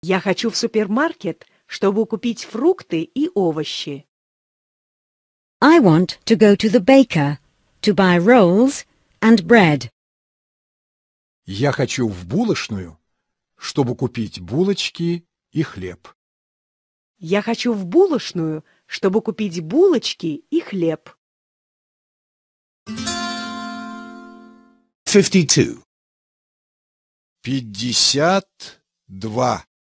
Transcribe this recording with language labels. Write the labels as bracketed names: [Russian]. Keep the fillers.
[Russian] Я хочу в супермаркет, чтобы купить фрукты и овощи. [English] I want to go to the baker to buy rolls and bread. [Russian] Я хочу в булочную, чтобы купить булочки и хлеб. Я хочу в булочную, чтобы купить булочки и хлеб. 52 52